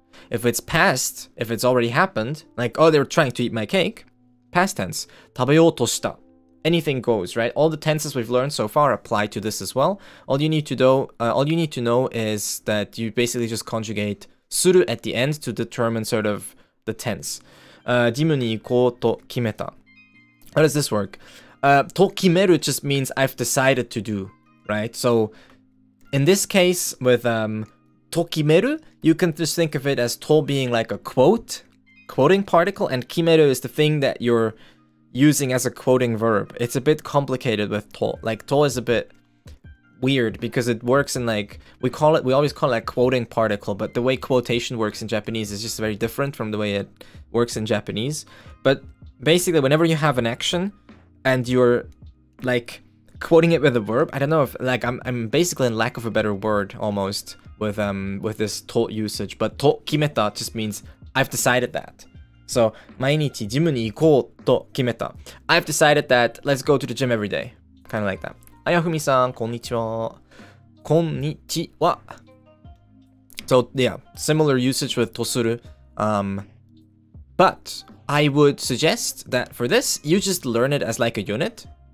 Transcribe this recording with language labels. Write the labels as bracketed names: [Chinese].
[English] If it's past, if it's already happened, like, oh, they're trying to eat my cake, past tense, [Japanese] 食べようとした。 [English] Anything goes, right? All the tenses we've learned so far apply to this as well. All you need to do, all you need to know is that you basically just conjugate する at the end to determine sort of the tense. [Japanese] ジムに行こうと決めた。 [English] How does this work? と決める just means I've decided to do, right? So in this case with と決める, you can just think of it as to being like a quote, quoting particle, and 決める is the thing that you're using as a quoting verb. It's a bit complicated with to. Like, to is a bit weird because it works in like, we always call it a quoting particle, but the way quotation works in Japanese is just very different from the way it works in Japanese. But basically, whenever you have an action and you're like quoting it with a verb, I don't know if like I'm basically in lack of a better word almost with this to usage, but to kimeta just means I've decided that. [Japanese] So, 毎日ジムに行こうと決めた. [English] I've decided that let's go to the gym every day. Kind of like that. Ayafumi-san, [Japanese] konnichiwa. Konnichiwa. [English] So, yeah, similar usage with tosuru. But I would suggest that for this, you just learn it as like a unit.